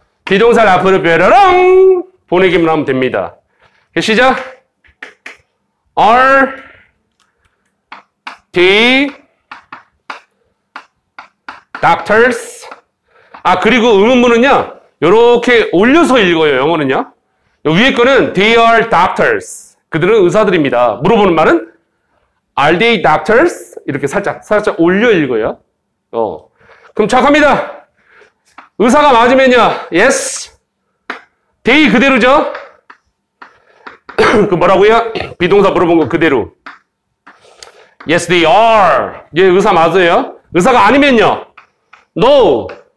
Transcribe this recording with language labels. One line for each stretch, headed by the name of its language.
Korean: 비동사를 앞으로 뾰라랑 보내기만 하면 됩니다. 계시죠?
English: Are they doctors?
Korean: 아, 그리고 의문문은요, 이렇게 올려서 읽어요, 영어는요. 위에 거는
English: they are doctors.
Korean: 그들은 의사들입니다. 물어보는 말은
English: Are they doctors?
Korean: 이렇게 살짝 올려 읽어요. 그럼 자, 갑니다. 의사가 맞으면요. Yes. They 그대로죠. 그 뭐라고요? 비동사 물어본 거 그대로.
English: Yes, they are.
Korean: 예, 의사 맞아요. 의사가 아니면요. No.